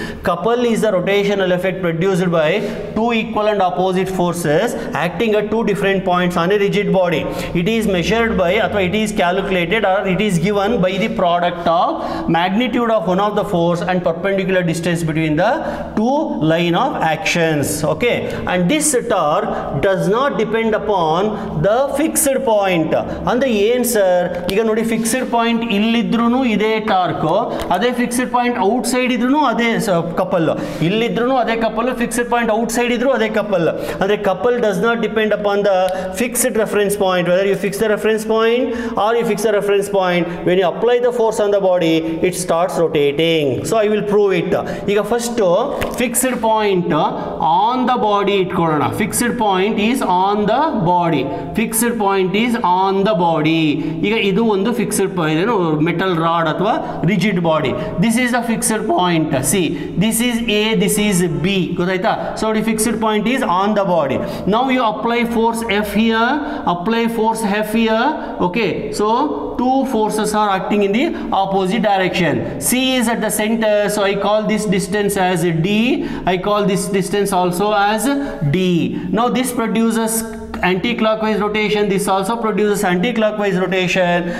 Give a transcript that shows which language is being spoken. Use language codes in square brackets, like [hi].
[en] Couple is the rotational effect produced by two equal and opposite forces acting at two different points on a rigid body. It is measured by ಅಥವಾ it is calculated or it is given by the product of magnitude of one of the force and perpendicular distance between the two line of actions. Okay, and this torque does not depend upon the fixed point. And the answer, [kn] ಈಗ ನೋಡಿ fixed point ಇಲ್ಲಿದ್ರು ಇದೇ torque, ಅದೇ fixed point out side ಇದ್ರು ಅದೇ couple, ಇಲ್ಲಿದ್ರು ಅದೇ couple, fixed point out side ಇದ್ರು ಅದೇ couple. [en] ಅಂದ್ರೆ couple does not depend upon the fixed reference point, whether you fix the reference point or you fix the reference point. When you apply the force on the body it starts rotating. So I will prove it. [kn] ಈಗ first fixed point on the body ಇಟ್ಕೊಳ್ಳೋಣ. [en] Fixed point is on the body, fixed point is on the body. [kn] ಈಗ ಇದು ಒಂದು [en] Fixed point, ಏನು metal rod ಅಥವಾ rigid body, this is a fixed point. C this is A, this is B, [kn] ಗೊತ್ತಾಯ್ತಾ. [en] So ಈ fixed point is on the body. Now you apply force F here, apply force F here, okay. So two forces are acting in the opposite direction. C is at the center, so I call this distance as D, I call this distance also as D. Now this produces anti-clockwise rotation, this also produces anti-clockwise rotation.